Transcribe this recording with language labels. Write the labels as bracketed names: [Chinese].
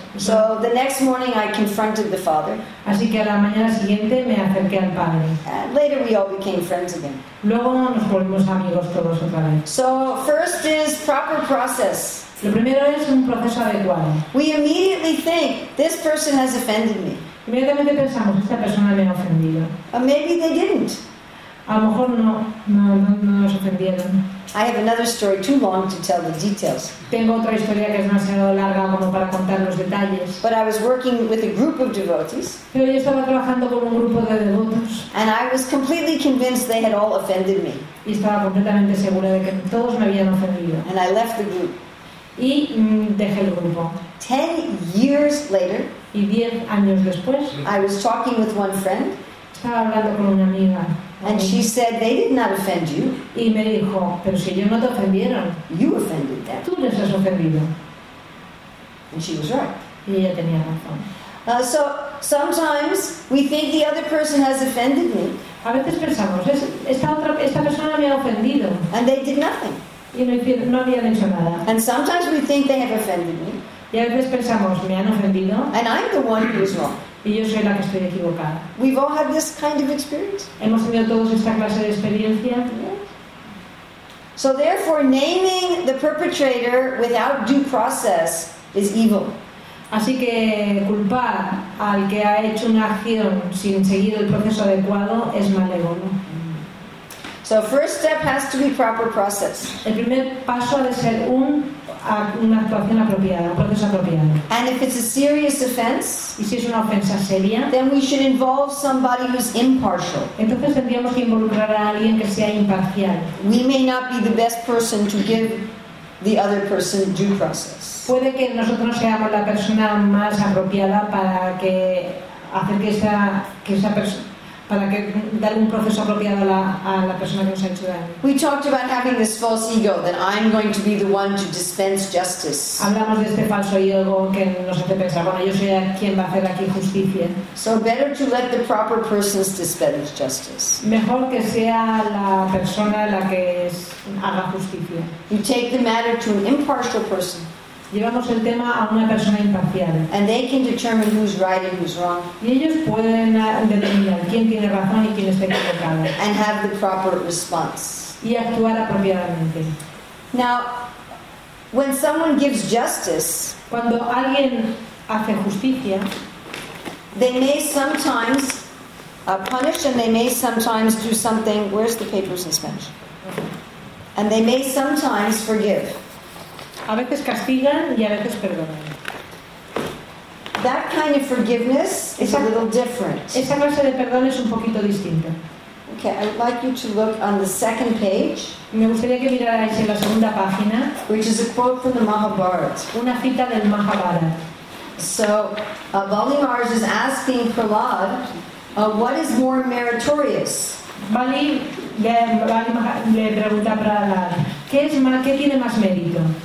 [English] So the next morning I confronted the father. [Spanish] Así que a la mañana siguiente me acerqué al padre. [English] Later we all became friends again. [Spanish] Luego nos volvimos amigos todos otra vez. [English] So first is proper process. [Spanish] Lo primero es un proceso adecuado. [English] We immediately think this person has offended me. [Spanish] Inmediatamente pensamos, esta persona me ha ofendido. [English] Maybe they didn't. [Spanish] A lo mejor no nos ofendieron. [English] I have another story too long to tell the details. [Spanish] Tengo otra historia que es demasiado larga como para contar los detalles. [English] But I was working with a group of devotees. [Spanish] Pero yo estaba trabajando con un grupo de devotos. [English] And I was completely convinced they had all offended me. [Spanish] Y estaba completamente segura de que todos me habían ofendido. [English] And I left the group. [Spanish] Y dejé el grupo. [English] 10 years later. [Spanish] Y 10 años después. [English] I was talking with one friend. [Spanish] Estaba hablando con una amiga. [English] And she said they did not offend you. [Spanish] Y me dijo, pero si ellos no te ofendieron. [English] You offended them. [Spanish] Tú les has ofendido. [English] And she was right. [Spanish] Y ella tenía razón. [English] So sometimes we think the other person has offended me. [Spanish] A veces pensamos, esta persona me ha ofendido. [English] And they did nothing. [Spanish] Y no habían hecho nada. [English] And sometimes we think they have offended me. [Spanish] Y a veces pensamos, me han ofendido. [English] And I'm the one who is wrong. [Spanish] Y yo soy la que estoy equivocada. [English] We've all had this kind of experience. [Spanish] Hemos tenido todos esta clase de experiencia. [English] So therefore, naming the perpetrator without due process is evil. [Spanish] Así que culpar al que ha hecho una acción sin seguir el proceso adecuado es malévolo. [English] So first step has to be proper process. [Spanish] El primer paso ha de ser una actuación apropiada, un proceso apropiado. [English] And if it's a serious offense, [Spanish] y si es una ofensa seria, [English] then we should involve somebody who's impartial. [Spanish] Entonces tendríamos que involucrar a alguien que sea imparcial. [English] We may not be the best person to give the other person due process. [Spanish] Puede que nosotros seamos la persona más apropiada para que hacer que esa persona para que dar un proceso apropiado a la persona que nos ha hecho daño. [English] We talked about having this false ego that I'm going to be the one to dispense justice. [Spanish] Hablamos de este falso ego que nos hace pensar, bueno, yo soy quien va a hacer aquí justicia. [English] So better to let the proper persons dispense justice. [Spanish] Mejor que sea la persona la que haga justicia. [English] You take the matter to an impartial person. [Spanish] Llevamos el tema a una persona imparcial. [English] And they can determine who's right and who's wrong. [Spanish] Y ellos pueden determinar quién tiene razón y quién está equivocado. [English] And have the proper response. [Spanish] Y actuar apropiadamente. [English] Now, when someone gives justice, [Spanish] cuando alguien hace justicia, [English] they may sometimes punish and they may sometimes do something. Where's the papers in Spanish? And they may sometimes forgive. [Spanish] A veces castigan y a veces perdonan. [English] That kind of forgiveness is a little different. [Spanish] Esa clase de perdón es un poquito distinta. [English] Okay, I'd like you to look on the second page. [Spanish] Me gustaría que mirarais en la segunda página. [English] Which is a quote from the Mahabharat. [Spanish] Una cita del Mahabharata. [English] So, Bali Maharaj is asking Prahlad, what is more meritorious? [Spanish] Bali Maharaj le pregunta a Prahlad, ¿qué tiene más mérito?